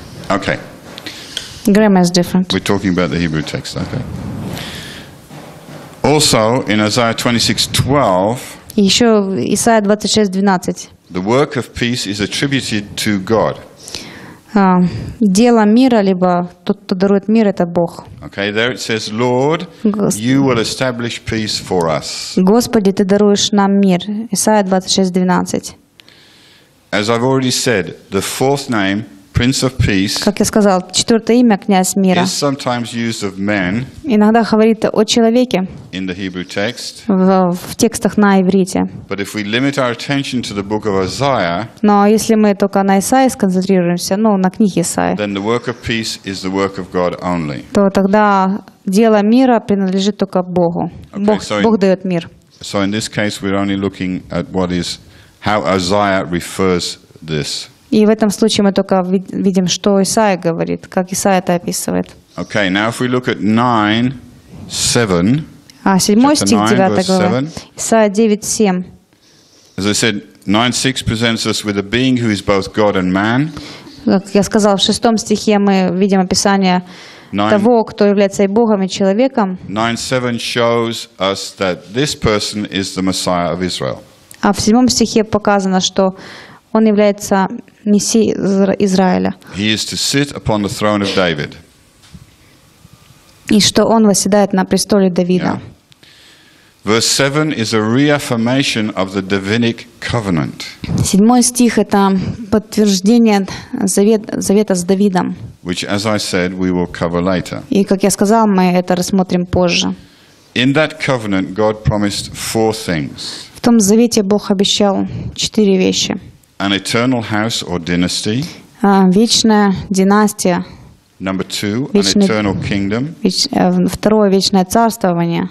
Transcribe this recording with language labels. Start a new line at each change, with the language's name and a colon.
English: Okay. Grammar is different. We're talking about the Hebrew text, okay. Also, in Isaiah 26:12.
Russian: Еще в Исайя 26:12.
English: The work of peace is attributed to God.
Russian: Дело мира, либо тот, кто дарует мир, это Бог.
English: Okay, there it says, Lord, you will establish peace for us.
Russian: Господи, ты даруешь нам мир. Исайя 26:12.
English: As I've already said, the fourth name, Prince of Peace,
Russian: как я сказал, четвертое имя, князь мира,
English: is sometimes used of men.
Russian: Иногда говорит о человеке.
English: In the Hebrew text.
Russian: В текстах на иврите.
English: But if we limit our attention to the book of Isaiah.
Russian: Но если мы только на Исаии сконцентрируемся, ну на книге Исаии.
English: Then the work of peace is the work of God only.
Russian: То тогда дело мира принадлежит только Богу. Бог дает мир.
English: So in this case, we're only looking at what is how Isaiah refers this.
Russian: И в этом случае мы только видим, что Исаия говорит, как Исаия это описывает.
English: Okay, now if we look at 9:7.
Russian: А седьмой стих, 9 глава. Исаия 9:7.
English: As I said, 9:6 presents us with a being who is both God and man.
Russian: Как я сказал, в шестом стихе мы видим описание того, кто является и Богом, и человеком.
English: 9:7 shows us that this person is the Messiah of Israel.
Russian: А в седьмом стихе показано, что он является мессией Израиля.
English: He is to sit upon the throne of David.
Russian: И что он восседает на престоле Давида.
English: Yeah. Verse 7 is a reaffirmation of the Davidic covenant.
Russian: Седьмой стих это подтверждение завета с Давидом.
English: Which, as I said, we will cover later.
Russian: И как я сказал, мы это рассмотрим позже.
English: In that covenant, God promised four things.
Russian: В том завете Бог обещал четыре вещи.
English: An eternal house or dynasty.
Russian: Вечная династия.
English: Number two, an eternal kingdom.
Russian: Второе, вечное царствование.